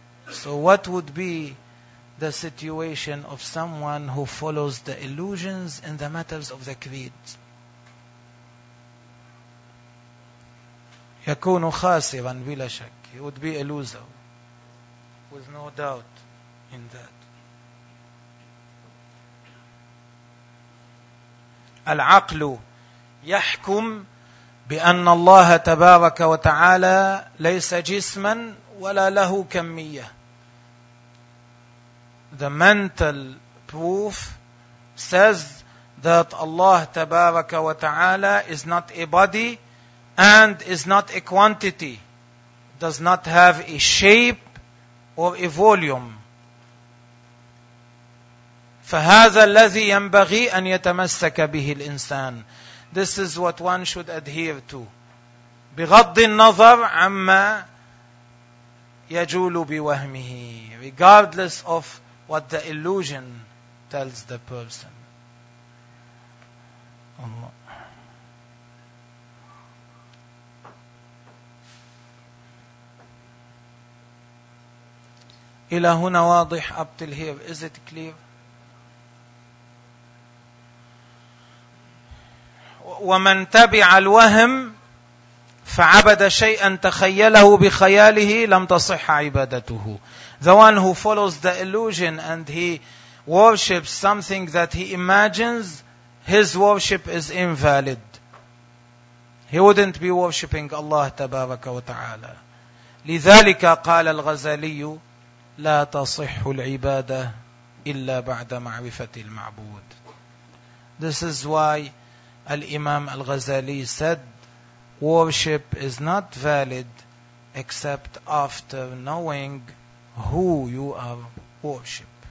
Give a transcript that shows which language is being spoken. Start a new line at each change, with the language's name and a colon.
English: So what would be the situation of someone who follows the illusions in the matters of the creed?
Arabic: يكون خاسرا بلا شك.
English: He would be a loser, with no doubt in that.
Arabic: العقل يحكم بأن الله تبارك وتعالى ليس جسما ولا له كمية.
English: The mental proof says that Allah Tabaraka wa Ta'ala is not a body and is not a quantity, does not have a shape or a volume.
Arabic: فَهَذَا الَّذِي يَنْبَغِي أَنْ يَتَمَسَّكَ بِهِ الْإِنسَانِ.
English: This is what one should adhere to.
Arabic: بِغَضِّ النَّظَرِ عَمَّا يَجُولُ بِوَهْمِهِ.
English: Regardless of what the illusion tells the person. Allah.
Arabic: إلى هنا واضح.
English: Up till here, is it clear?
Arabic: ومن تبع الوهم فعبد شيئا تخيله بخياله لم تصح عبادته.
English: The one who follows the illusion and he worships something that he imagines, his worship is invalid. He wouldn't be worshipping Allah Tabaraka wa Ta'ala.
Arabic: لذلك قال الغزالي لا تصح العبادة إلا بعد معرفة المعبود.
English: This is why Al-Imam Al-Ghazali said, worship is not valid except after knowing who you are worship.